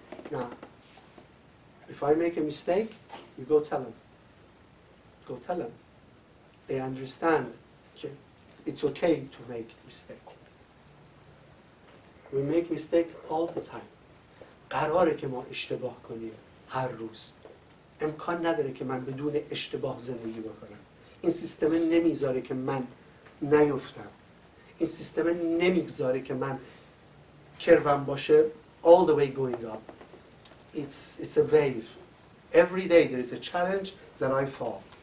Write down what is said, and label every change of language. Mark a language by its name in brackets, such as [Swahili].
[English] Now, if I make a mistake, you go tell him. Go tell them. They understand that it's okay to make mistake. We make mistake all the time. [Persian] قراره که ما اشتباه کنیم هر روز. امکان نداره که من بدون اشتباه زندگی بکنم. این سیستم نمیذاره که من نیفتم. این سیستم نمیذاره که من کروم باشه. [English] All the way going up. It's a wave. Every day there is a challenge that I fall.